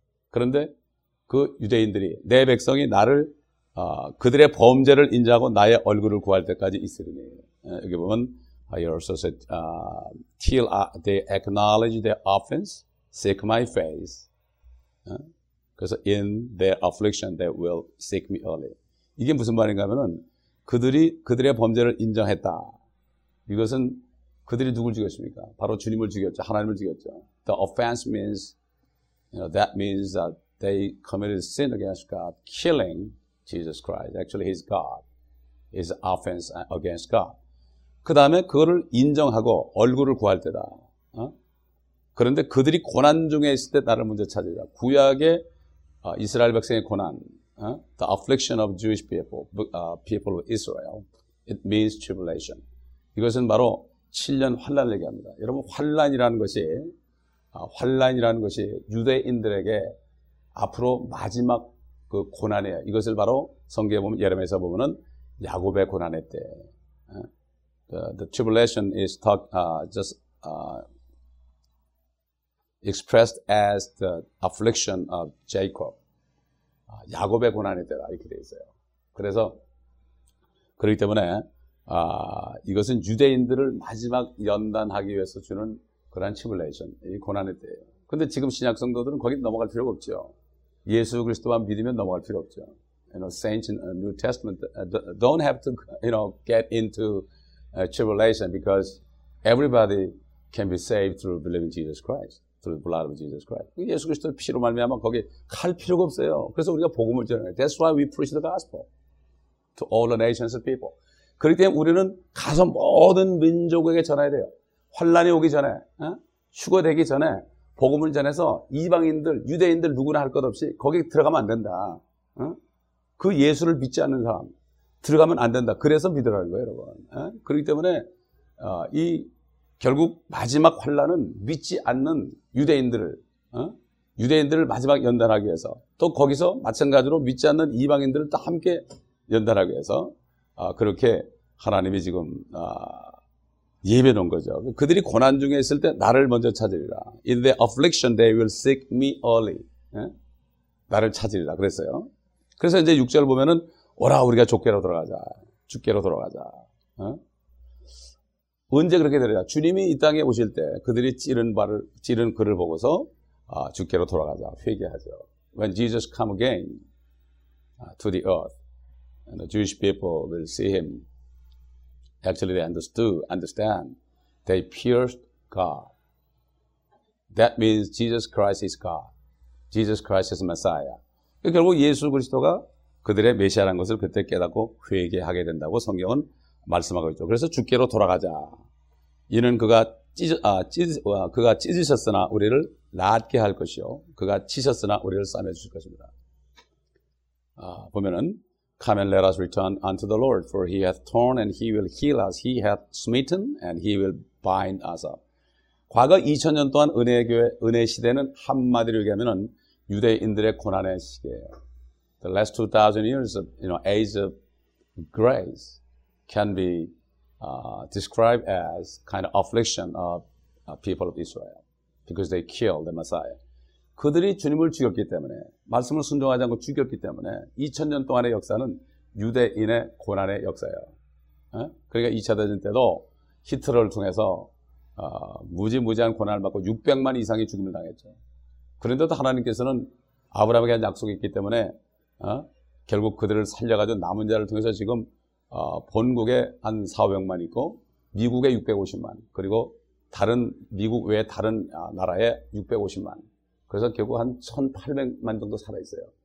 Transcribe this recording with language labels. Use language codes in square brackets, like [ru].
[ko] 그런데 그 유대인들이 내 백성이 나를 그들의 범죄를 인지하고 나의 얼굴을 구할 때까지 있으리니 여기 보면 [en] he also said till they acknowledge their offense seek my face [ko] 그래서 [en] in their affliction they will seek me early. [ko] 이게 무슨 말인가 하면은 그들이 그들의 범죄를 인정했다. 이것은 그들이 누굴 죽였습니까? 바로 주님을 죽였죠. 하나님을 죽였죠. [en] The offense means, you know, that means that they committed sin against God, killing Jesus Christ. Actually, he's God. His offense against God. [ko] 그 다음에 그거를 인정하고 얼굴을 구할 때다. 그런데 그들이 고난 중에 있을 때 나를 먼저 찾으자. 구약의 이스라엘 백성의 고난, [en] the affliction of Jewish people, people of Israel, it means tribulation. [ko] 이것은 바로 7년 환란을 얘기합니다. 여러분 환란이라는 것이 환란이라는 것이 유대인들에게 앞으로 마지막 그 고난이에요. 이것을 바로 성경에 보면 예레미야서 보면은 야곱의 고난의 때. [en] The tribulation is talk just expressed as the affliction of Jacob. [ko] 야곱의 고난의 때라 이렇게 되어 있어요. 그래서 그렇기 때문에 이것은 유대인들을 마지막 연단하기 위해서 주는 그런 tribulation, 이 고난의 때예요. 그런데 지금 신약 성도들은 거기 넘어갈 필요가 없죠. 예수 그리스도만 믿으면 넘어갈 필요 없죠. [en] You know, saints in the New Testament don't have to, you know, get into tribulation because everybody can be saved through believing Jesus Christ, through the blood of Jesus Christ. [ko] 예수 그리스도 피로 말미암아 거기 갈 필요가 없어요. 그래서 우리가 복음을 전해요. [en] That's why we preach the gospel to all the nations of people. [ko] 그렇기 때문에 우리는 가서 모든 민족에게 전해야 돼요. 환란이 오기 전에, 휴거되기 전에 복음을 전해서 이방인들, 유대인들 누구나 할 것 없이 거기 들어가면 안 된다. 그 예수를 믿지 않는 사람 들어가면 안 된다. 그래서 믿으라는 거예요, 여러분. 그렇기 때문에 이 결국 마지막 환란은 믿지 않는 유대인들을 유대인들을 마지막 연단하기 위해서 또 거기서 마찬가지로 믿지 않는 이방인들을 또 함께 연단하기 위해서 그렇게 하나님이 지금 예배 놓은 거죠. 그들이 고난 중에 있을 때 나를 먼저 찾으리라. [en] In the affliction they will seek me early. [ko] 나를 찾으리라 그랬어요. 그래서 이제 6절 보면은 오라 우리가 주께로 돌아가자. 주께로 돌아가자. 언제 그렇게 되느냐. 주님이 이 땅에 오실 때 그들이 찌른 발을 찌른 그를 보고서 주께로 돌아가자. 회개하죠. [en] When Jesus come again to the earth and the Jewish people will see him. Actually, they understand. They pierced God. That means Jesus Christ is God. Jesus Christ is Messiah. [ko] 결국 예수 그리스도가 그들의 메시아라는 것을 그때 깨닫고 회개하게 된다고 성경은 말씀하고 있죠. 그래서 주께로 돌아가자. 이는 그가 찢으셨으나 우리를 낫게 할 것이요. 그가 치셨으나 우리를 싸매 주실 것입니다. 보면은 [en] Come and let us return unto the Lord, for he hath torn and he will heal us. He hath smitten and he will bind us up. [ko] 과거 2000년 동안 은혜교회, 은혜 시대는 한마디로 얘기하면은 유대인들의 고난의 시기예요. [en] The last 2000 years of, you know, age of grace can be described as kind of affliction of people of Israel because they killed the Messiah. [ko] 그들이 주님을 죽였기 때문에 말씀을 순종하지 않고 죽였기 때문에 2000년 동안의 역사는 유대인의 고난의 역사예요. 그러니까 2차 대전 때도 히틀러를 통해서 무지무지한 고난을 받고 600만 이상의 죽임을 당했죠. 그런데도 하나님께서는 아브라함에게 한 약속이 있기 때문에 결국 그들을 살려가지고 남은 자를 통해서 지금 본국에 한 400만 있고 미국에 650만 그리고 다른 미국 외 다른 나라에 650만 그래서 결국 한 1,800만 정도 살아있어요.